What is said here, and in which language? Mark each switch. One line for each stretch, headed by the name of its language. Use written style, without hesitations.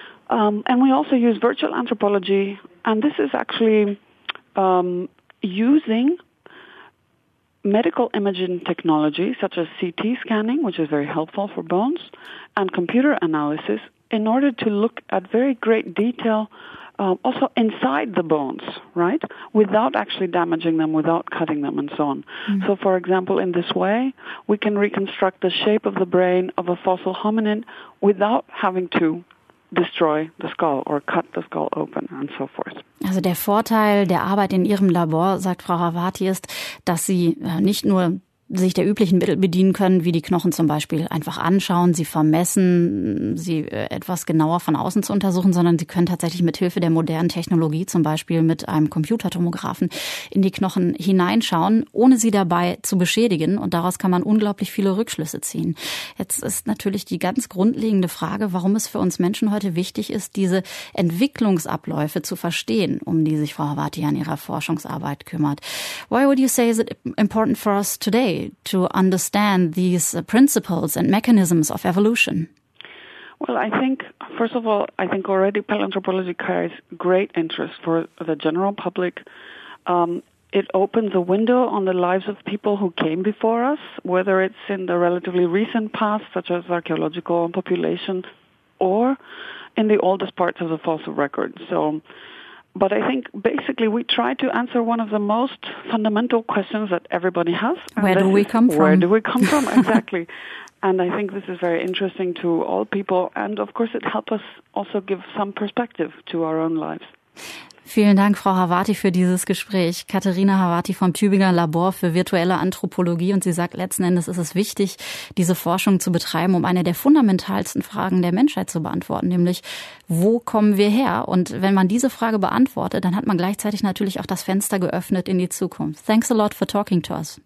English: And we also use virtual anthropology, and this is actually using medical imaging technology, such as CT scanning, which is very helpful for bones, and computer analysis, in order to look at very great detail also inside the bones, right, without actually damaging them, without cutting them, and so on. Mm-hmm. So, for example, in this way, we can reconstruct the shape of the brain of a fossil hominin without having to destroy the skull or cut the skull open and so forth.
German: Also der Vorteil der Arbeit in Ihrem Labor, sagt Frau Havati, ist, dass Sie nicht nur sich der üblichen Mittel bedienen können, wie die Knochen zum Beispiel einfach anschauen, sie vermessen, sie etwas genauer von außen zu untersuchen, sondern sie können tatsächlich mit Hilfe der modernen Technologie, zum Beispiel mit einem Computertomographen, in die Knochen hineinschauen, ohne sie dabei zu beschädigen. Und daraus kann man unglaublich viele Rückschlüsse ziehen. Jetzt ist natürlich die ganz grundlegende Frage, warum es für uns Menschen heute wichtig ist, diese Entwicklungsabläufe zu verstehen, um die sich Frau Havati an ihrer Forschungsarbeit kümmert.
English: Why would you say is it important for us today to understand these principles and mechanisms of evolution? Well, I think, first of all, I think already paleoanthropology carries great interest for the general public. It opens a window on the lives of people who came before us, whether it's in the relatively recent past, such as archaeological population, or in the oldest parts of the fossil record. So, but I think basically we try to answer one of the most fundamental questions that everybody has. Where do we come from? Exactly. And I think this is very interesting to all people. And of course, it helps us also give some perspective to our own lives.
German: Vielen Dank, Frau Havati, für dieses Gespräch. Katharina Havati vom Tübinger Labor für virtuelle Anthropologie. Und sie sagt, letzten Endes ist es wichtig, diese Forschung zu betreiben, um eine der fundamentalsten Fragen der Menschheit zu beantworten, nämlich, wo kommen wir her? Und wenn man diese Frage beantwortet, dann hat man gleichzeitig natürlich auch das Fenster geöffnet in die Zukunft.
English: Thanks a lot for talking to us.